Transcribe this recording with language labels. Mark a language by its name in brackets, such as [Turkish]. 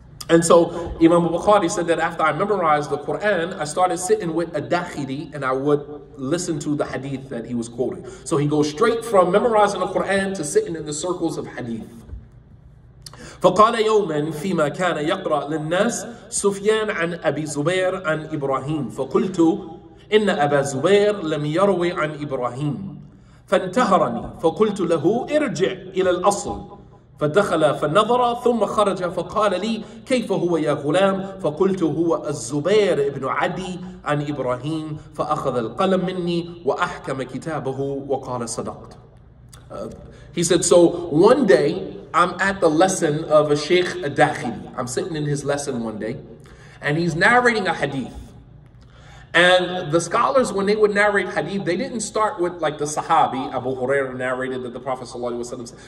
[English] And so Imam Bukhari said that after I memorized the Quran, I started sitting with a dakhiri and I would listen to the hadith that he was quoting. So he goes straight from memorizing the Quran to sitting in the circles of hadith. [Arabic] فَقَالَ يَوْمًا فِيمَا كَانَ يَقْرَأْ لِلنَّاسِ سُفْيَانَ عَنْ أَبِي زُبَيْرٍ عَنْ إِبْرَاهِيمِ فَقُلْتُ إِنَّ أَبَا زُبَيْرٍ لَمْ يَرْوِي عَنْ إِبْرَاهِيمِ فانتهرني فقلت له ارجع إلى الأصل فدخل فنظر ثم خرج فقال لي كيف هو يا غلام فقلت هو الزبير ابن عدي عن إبراهيم فأخذ القلم مني وأحكم كتابه وقال صدقت. [English] He said, so one day I'm at the lesson of a Sheikh Dakhili. I'm sitting in his lesson one day and he's narrating a hadith. And the scholars, when they would narrate hadith, they didn't start with like the Sahabi, Abu Huraira narrated that the Prophet sallallahu alaihi wasallam said.